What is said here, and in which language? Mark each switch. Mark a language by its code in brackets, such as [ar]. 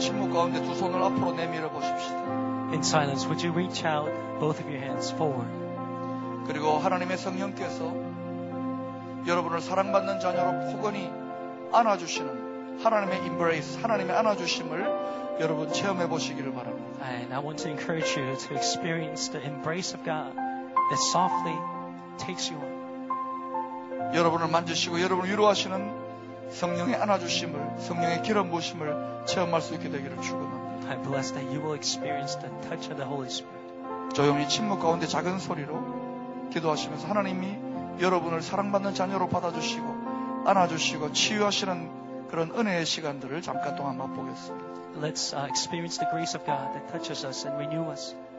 [ko] 가운데 두 손을 앞으로 내밀어 보십시다. [en] In silence, would you reach out both of your hands forward? [ko] 그리고 하나님의 성령께서 여러분을 사랑받는 자녀로 포근히 안아주시는 하나님의 embrace, 하나님의 안아주심을 여러분 체험해 보시기를 바랍니다. [en] And I want to encourage you to experience the embrace of God that softly takes you on. [ko] 여러분을 만지시고 여러분을 위로하시는 성령의 안아주심을, 성령의 기름 부으심을 체험할 수 있게 되기를 축원합니다. [en] I bless that you will experience the touch of the Holy Spirit. [ko] 조용히 침묵 가운데 작은 소리로 기도하시면서 하나님이 여러분을 사랑받는 자녀로 받아주시고 안아주시고 치유하시는 그런 은혜의 시간들을 잠깐 동안 맛보겠습니다. [en] Let's experience the grace of God that touches us and renew us.